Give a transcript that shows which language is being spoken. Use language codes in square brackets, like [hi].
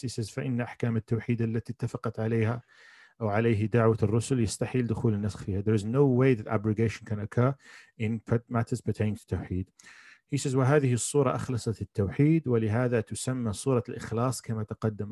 [en] He says [ar] فإن أحكام التوحيد التي اتفقت عليها أو عليه دعوة الرسل يستحيل دخول النسخ فيها. [en] There is no way that abrogation can occur in matters pertaining to tawhid. He says, [ar] وهذه الصورة أخلصت التوحيد ولهذا تسمى صورة الإخلاص كما تقدم.